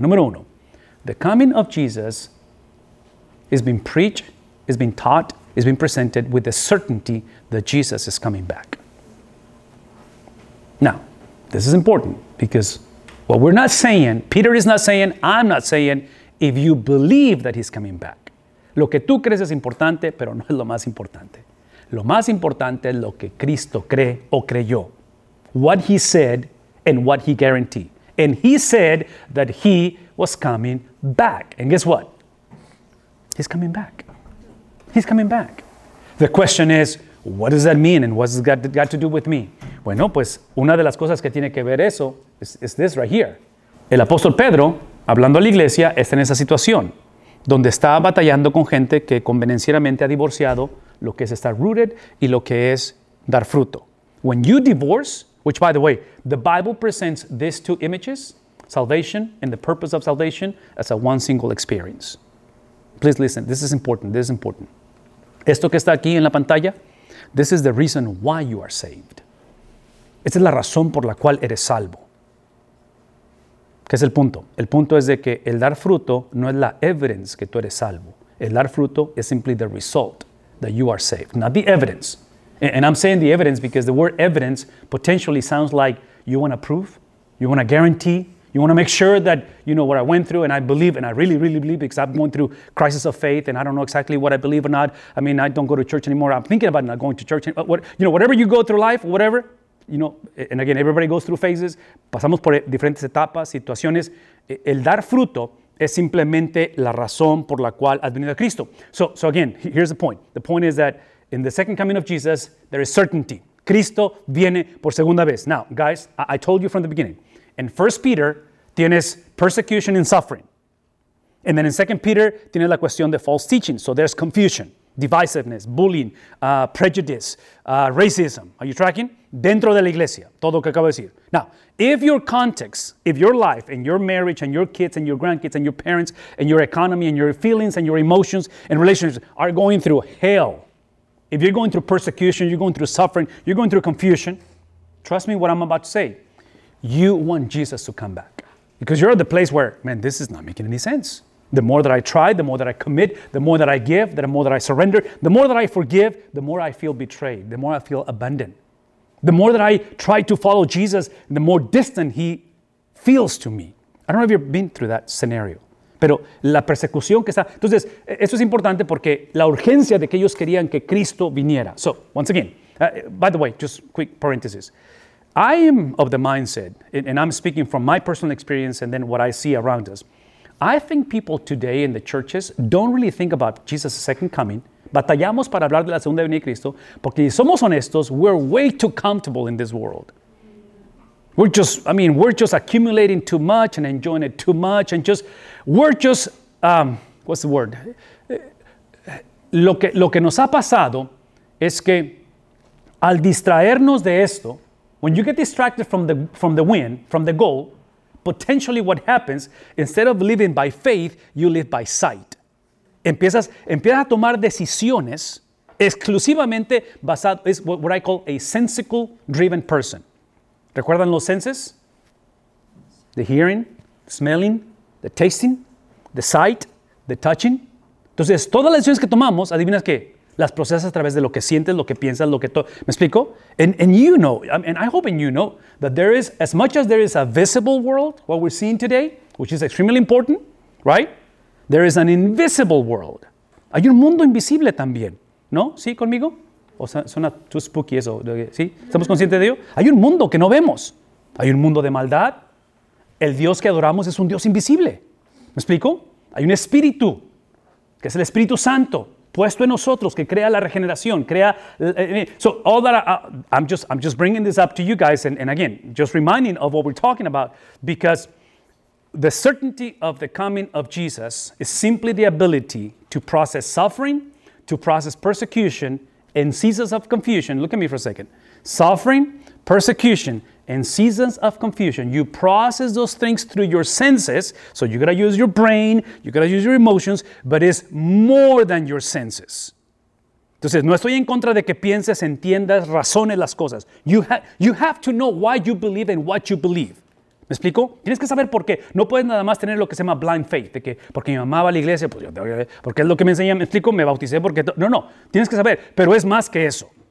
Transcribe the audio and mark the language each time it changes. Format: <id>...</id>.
<es>Número uno,</es> <en>the coming of Jesus is being preached, is being taught, is being presented with the certainty that Jesus is coming back. Now, this is important because what we're not saying, Peter is not saying, I'm not saying, if you believe that he's coming back.</en> <es>Lo que tú crees es importante, pero no es lo más importante. Lo más importante es lo que Cristo cree o creyó.</es> <en>What he said and what he guaranteed. And he said that he was coming back. And guess what? He's coming back. He's coming back. The question is, what does that mean? And what's it got to do with me?</en> <es>Bueno, pues, una de las cosas que tiene que ver eso</es> <en>is this right here.</en> <es>El apóstol Pedro, hablando a la iglesia, está en esa situación, donde está batallando con gente que convenencieramente ha divorciado lo que es estar rooted y lo que es dar fruto.</es> <en>When you divorce, which by the way, the Bible presents these two images, salvation and the purpose of salvation, as a one single experience. Please listen, this is important, this is important.</en> <es>Esto que está aquí en la pantalla,</es> <en>this is the reason why you are saved.</en> <es>Esta es la razón por la cual eres salvo. ¿Qué es el punto? El punto es de que el dar fruto no es la evidence que tú eres salvo. El dar fruto es</es> <en>simply the result that you are saved, not the evidence. And I'm saying the evidence because the word evidence potentially sounds like you want to prove, you want to guarantee, you want to make sure that, you know, what I went through and I believe, and I really, really believe because I'm going through crisis of faith and I don't know exactly what I believe or not. I mean, I don't go to church anymore. I'm thinking about not going to church. You know, whatever you go through life, whatever, you know, and again, everybody goes through phases.</en> <es>Pasamos por diferentes etapas, situaciones. El dar fruto es simplemente la razón por la cual has venido a Cristo.</es> <en>So again, here's the point. The point is that in the second coming of Jesus, there is certainty.</en> <es>Cristo viene por segunda vez.</es> <en>Now, guys, I told you from the beginning. In 1 Peter,</en> <es>tienes</es> <en>persecution and suffering. And then in 2 Peter,</en> <es>tienes la cuestión de</es> <en>false teaching. So there's confusion, divisiveness, bullying, prejudice, racism. Are you tracking?</en> <es>Dentro de la iglesia, todo lo que acabo de decir.</es> <en>Now, if your context, if your life and your marriage and your kids and your grandkids and your parents and your economy and your feelings and your emotions and relationships are going through hell, if you're going through persecution, you're going through suffering, you're going through confusion, trust me what I'm about to say. You want Jesus to come back. Because you're at the place where, man, this is not making any sense. The more that I try, the more that I commit, the more that I give, the more that I surrender, the more that I forgive, the more I feel betrayed, the more I feel abandoned. The more that I try to follow Jesus, the more distant he feels to me. I don't know if you've been through that scenario.</en> <es>Pero la persecución que está... Entonces, eso es importante porque la urgencia de que ellos querían que Cristo viniera.</es> <en>So, once again, by the way, just quick parenthesis. I am of the mindset, and I'm speaking from my personal experience and then what I see around us. I think people today in the churches don't really think about Jesus' second coming.</en> <es>Batallamos para hablar de la segunda venida de Cristo porque si somos honestos,</es> <en>we're way too comfortable in this world. We're just accumulating too much and enjoying it too much. And just, we're just, what's the word?</en> <es>Lo que nos ha pasado es que al distraernos de esto,</es> <en>when you get distracted from the win, from the goal, potentially what happens, instead of living by faith, you live by sight.</en> <es>Empiezas a tomar decisiones exclusivamente basado, es</es> <en>what I call a sensical driven person.</en> <es>¿Recuerdan los senses?</es> <en>The hearing, smelling, the tasting, the sight, the touching.</en> <es>Entonces, todas las decisiones que tomamos, ¿adivinas qué? Las procesas a través de lo que sientes, lo que piensas, lo que todo. ¿Me explico?</es> <en>And you know, and I hope and you know, that there is, as much as there is a visible world, what we're seeing today, which is extremely important, right? There is an invisible world.</en> <es>Hay un mundo invisible también. ¿No? ¿Sí conmigo? O sea, suena</es> <en>too spooky</en> <es>eso. ¿Sí? ¿Estamos conscientes de ello? Hay un mundo que no vemos. Hay un mundo de maldad. El Dios que adoramos es un Dios invisible. ¿Me explico? Hay un espíritu, que es el Espíritu Santo, puesto en nosotros, que crea la regeneración, crea...</es> <en>So, all that I'm just bringing this up to you guys, and again, just reminding of what we're talking about, because the certainty of the coming of Jesus is simply the ability to process suffering, to process persecution, and seasons of confusion. Look at me for a second. Suffering, persecution, and seasons of confusion. You process those things through your senses. So you gotta use your brain, you gotta use your emotions, but it's more than your senses.</en> <es>Entonces, no estoy en contra de que pienses, entiendas, razones las cosas.</es> <en>You have to know why you believe and what you believe.</en> <es>¿Me explico? Tienes que saber por qué. No puedes nada más tener lo que se llama</es> <en>blind faith,</en> <es>de que porque mi mamá va a la iglesia, pues yo, porque es lo que me enseñan, ¿me explico? Me bauticé porque... No. Tienes que saber, pero es más que eso.</es>